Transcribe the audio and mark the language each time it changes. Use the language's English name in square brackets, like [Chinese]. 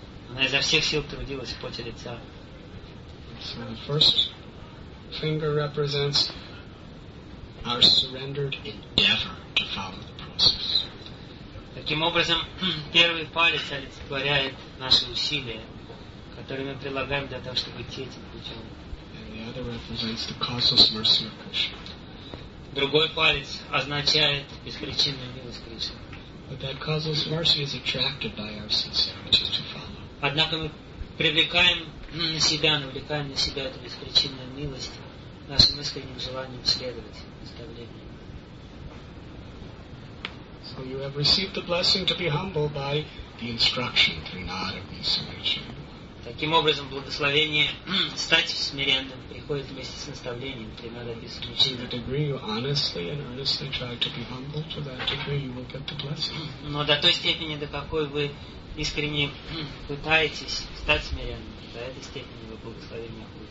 [Russian] Она изо всех сил трудилась в поте лица. [English] So the first finger represents our surrendered endeavor to follow the process. [Russian] Таким образом, первый палец олицетворяет наши усилия, которые мы прилагаем для того, чтобы идти этим путем. [English] And the other represents the causeless mercy of Krishna. [Russian] Другой палец означает беспричинную милость Кришны. [English] But that causeless mercy is attracted by our sincerity to follow. [Russian] Однако мы привлекаем на себя, навлекаем на себя эту беспричинную милость нашим искренним желанием следовать наставлениям. [English] So you have received the blessing to be humble by the instruction through Nara Visvamitra. [Russian] Таким образом, благословение стать смиренным приходит вместе с наставлением Тринада Бисмичина. Но до той степени, до какой вы искренне пытаетесь стать смиренным, до этой степени вы благословение